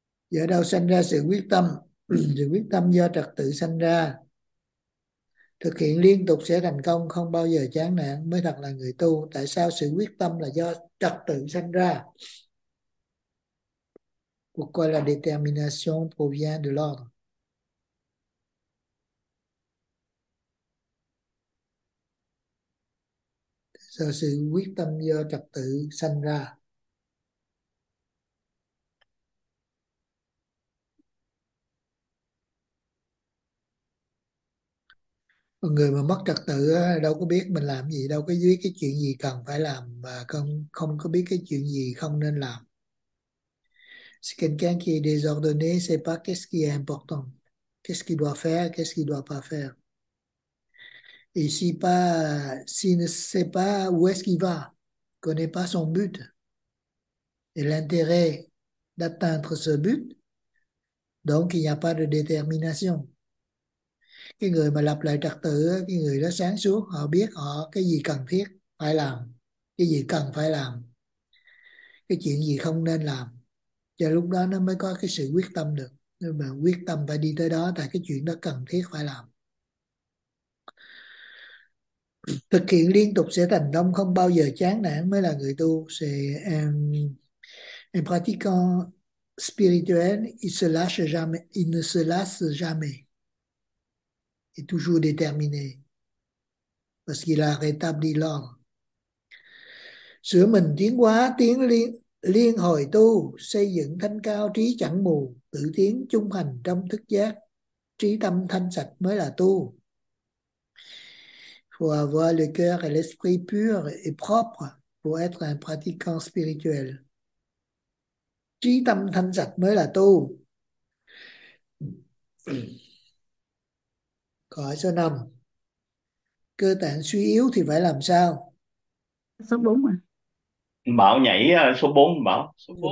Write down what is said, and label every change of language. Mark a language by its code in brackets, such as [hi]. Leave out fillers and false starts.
[vi] Do đâu sanh ra sự quyết tâm? Sự quyết tâm do trật tự sanh ra. Thực hiện liên tục sẽ thành công, không bao giờ chán nản mới thật là người tu. Tại sao sự quyết tâm là do trật tự sanh ra? [fr] Pourquoi la détermination provient de l'ordre? [vi] Sao sự quyết tâm do trật tự sanh ra? Một người mà mất trật tự đâu có biết mình làm gì, đâu có biết cái chuyện gì cần phải làm và không có biết cái chuyện gì không nên làm. [fr] Ce qui est désordonné, c'est pas qu'est-ce qui est important. Qu'est-ce qu'il doit faire, qu'est-ce qu'il doit pas faire. Et si pas, s'il ne sait pas où est-ce qu'il va, connaît pas son but et l'intérêt d'atteindre ce but, donc il n'y a pas de détermination. [vi] Cái người mà lập lại trật tự, cái người đó sáng suốt, họ biết họ cái gì cần thiết phải làm, cái gì cần phải làm, cái chuyện gì không nên làm. Cho lúc đó nó mới có cái sự quyết tâm được. Nhưng mà quyết tâm phải đi tới đó, tại cái chuyện đó cần thiết phải làm. Thực hiện liên tục sẽ thành công, không bao giờ chán nản mới là người tu. [fr] En pratiquant spirituel, il ne se lasse jamais. Est toujours déterminé parce qu'il a rétabli l'ordre. [vi] Sửa mình tiến hóa, tiến liên hồi tu, xây dựng thanh cao trí chẳng mù, tự tiến chung hành trong thức giác, trí tâm thanh sạch mới là tu. [fr] Faut avoir le cœur et l'esprit pur et propre pour être un pratiquant spirituel. [vi] Trí tâm thanh sạch mới là tu. Câu hỏi số 5. Cơ tạng suy yếu thì phải làm sao? Số 4 à. Bảo nhảy số 4, bảo số Số 4.